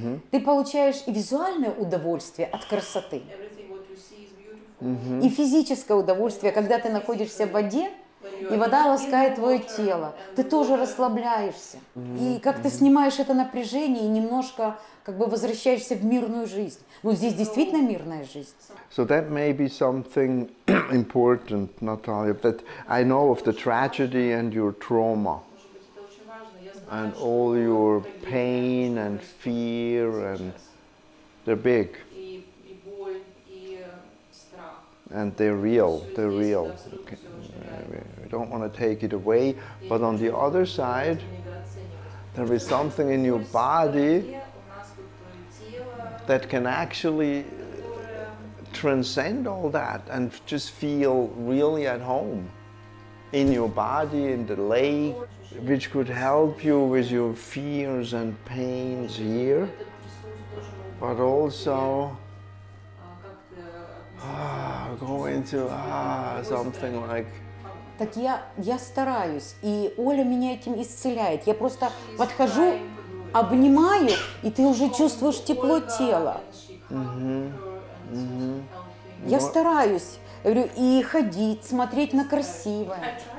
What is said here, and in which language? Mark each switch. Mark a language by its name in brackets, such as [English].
[Russian] Ты получаешь и визуальное удовольствие от красоты, и физическое удовольствие, когда ты находишься в воде, и вода ласкает твое тело. Ты тоже расслабляешься. И как-то снимаешь это напряжение и немножко как бы возвращаешься в мирную жизнь. Ну, здесь действительно мирная жизнь. [English] So that may be something important, Natalia, that I know of the tragedy and your trauma. And all your pain and fear, and they're big. And they're real. Okay. We don't want to take it away, but on the other side, there is something in your body that can actually transcend all that and just feel really at home in your body, in the lake, which could help you with your fears and pains here, but also go into something like... [Russian] Так я стараюсь, и Оля меня этим исцеляет. Я просто подхожу, обнимаю, и ты уже чувствуешь тепло тела. Я стараюсь, говорю, и ходить, смотреть на красивое.